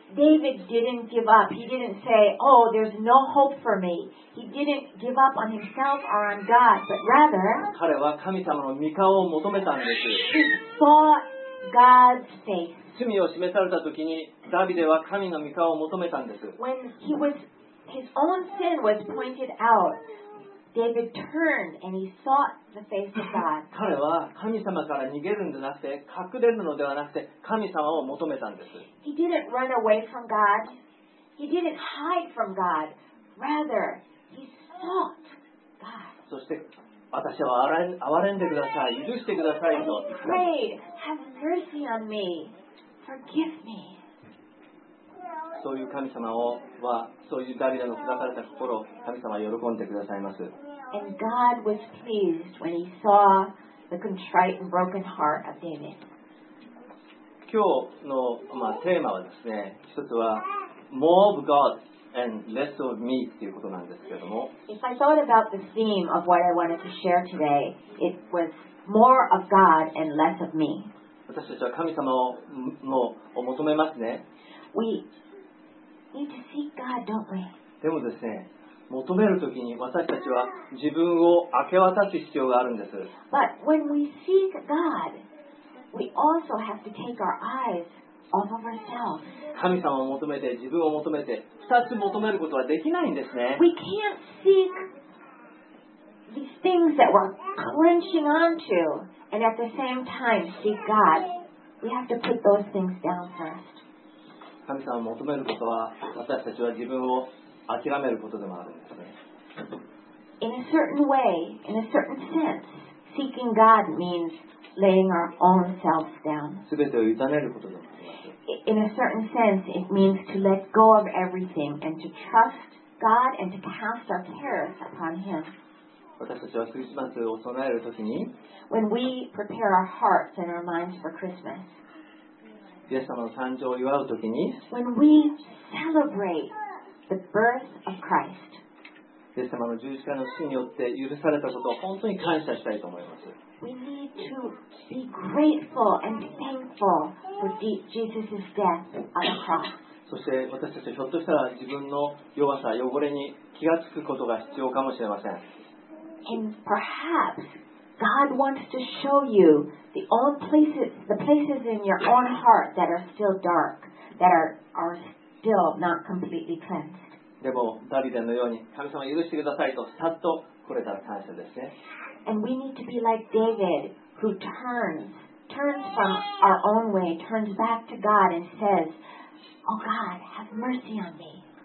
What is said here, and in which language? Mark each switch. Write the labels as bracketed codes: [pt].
[en] David didn't give up. He didn't say, oh, there's no hope for me. He didn't give up on himself or on God, but rather, [ja] 彼は神様の御顔を求めたんです。 [en] He sought God's face. [ja] 罪を示された時にダビデは神の御顔を求めたんです。 [en] When he was, his own sin was pointed out,David turned and he sought the face of God. [ja] 彼は神様から逃げるんじゃなくて隠れるのではなくて神様を求めたんです。 [en] He didn't run away from God. He didn't hide from God. Rather, he sought God. [ja] そして私は憐れんでください、許してくださいと。 [en] He prayed, have mercy on me. Forgive me. [ja] そういう神様をはそういうダビデの砕かれた心を神様は喜んでくださいます。 [en] And God was pleased when he saw the contrite and broken heart of David. [ja] 今日の、テーマはですね、一つは [en] More of God and less of me [ja] っていうことなんですけれども。 [en] If I thought about the theme of what I wanted to share today, it was more of God and less of me. [ja] 私たちは神様を求めますね。 [en] We need to seek God, don't we? [ja] でもですね、求めるときに私たちは自分を明け渡す必要があるんです。 [en] But when we seek God, we also have to take our eyes off of ourselves. [ja] 神様を求めて、自分を求めて、二つ求めることはできないんですね。 [en] We can't seek these things that we're clenching onto and at the same time seek God. We have to put those things down first. [ja] 神様を求めることは私たちは自分を諦めることでもあるんですね。 [en] In a certain way, in a certain sense, seeking God means laying our own selves down. [ja] 全てを委ねることでもあります。 [en] In a certain sense, it means to let go of everything and to trust God and to cast our cares upon Him. [ja] 私たちはクリスマスを備えるときに、 [en] When we prepare our hearts and our minds for Christmas, [ja] イエス様の誕生を祝うときに、 [en] When we celebrate the birth of Christ, [ja] イエス様の十字架の死によって許されたことを本当に感謝したいと思います。 [en] We need to be grateful and thankful for Jesus' death on the cross. [ja] そして私たちはひょっとしたら自分の弱さ、汚れに気がつくことが必要かもしれません。 [en] And perhaps God wants to show you the old places, the places in your own heart that are still dark, that are still not completely cleansed. [ja] でもダビデのように神様許してくださいとさっと来れたら感謝ですね。 [en] And we need to be like David who turns from our own way, turns back to God and says,Oh God, have mercy on me.